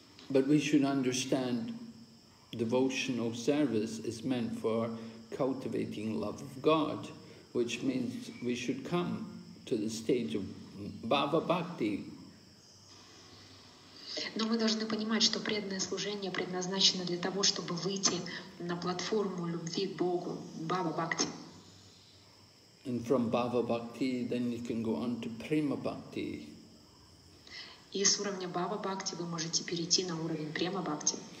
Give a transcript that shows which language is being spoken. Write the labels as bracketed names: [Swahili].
[English] But we should understand devotional service is meant for cultivating love of God, which means we should come to the stage of bhava bhakti. [Russian] Но мы должны понимать, что преданное служение предназначено для того, чтобы выйти на платформу любви к Богу, бхава бхакти. [English] And from bhava bhakti, then you can go on to prema bhakti. [Russian] И с уровня бхава бхакти вы можете перейти на уровень према бхакти.